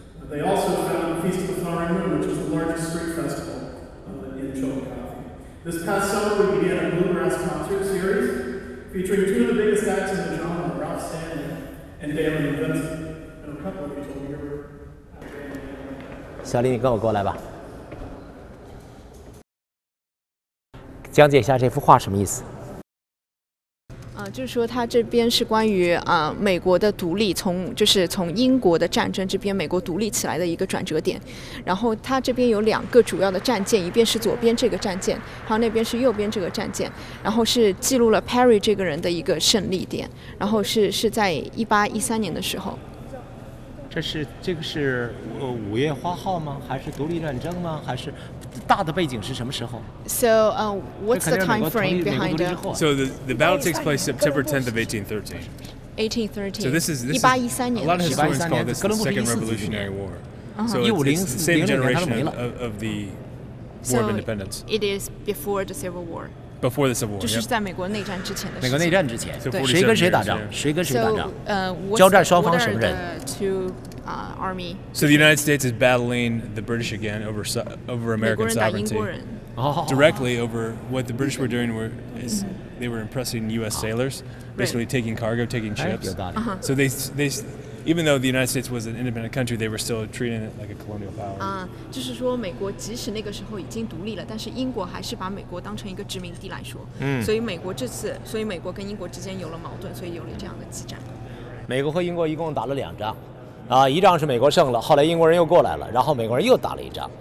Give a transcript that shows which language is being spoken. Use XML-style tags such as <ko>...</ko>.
<en>They also founded the Feast of the Flowering Moon, which is the largest street festival in Chillicothe. This past summer, we began a bluegrass concert series featuring two of the biggest acts in the genre, Ralph Stanley and Daley and Vincent. And a couple of you told me you were.</en> <zh>小林，你跟我过来吧。讲解一下这幅画什么意思。就是说它这边是关于美国的独立，从英国的战争这边美国独立起来的一个转折点。然后它这边有两个主要的战舰，一边是左边这个战舰，还有那边是右边这个战舰，然后是记录了 Perry 这个人的一个胜利点。然后是在1813年的时候。这个是五月花号吗？还是独立战争吗？还是大的背景是什么时候</zh> <en>？So, what's the time frame behind it? So the battle takes place September 10th of 1813. 1813. So this is</en> <zh>1813年。</zh> <en>A lot of historians call this the Second Revolutionary War. So it's the same generation of the War of Independence. It is before the Civil War. Before the Civil War.</en> <zh>就是在美国内战之前的事情。美国内战之前，对，谁跟谁打仗？谁跟谁打仗？</zh> <en>So,</en> <zh>交战双方什么人？</zh> <en>Army. So the United States is battling the British again over American sovereignty.</en> <zh>美国人打英国人。</zh> <en>Directly over what the British were doing were is they were impressing U.S. sailors, basically taking cargo, taking ships.</en> <zh>有道理。</zh> <en>So they even though the United States was an independent country, they were still treating it like a colonial power.</en> <zh>就是说美国即使那个时候已经独立了，但是英国还是把美国当成一个殖民地来说。所以美国这次，所以美国跟英国之间有了矛盾，所以有了这样的激战。美国和英国一共打了两仗。一仗是美国胜了，后来英国人又过来了，然后美国人又打了一仗。</zh>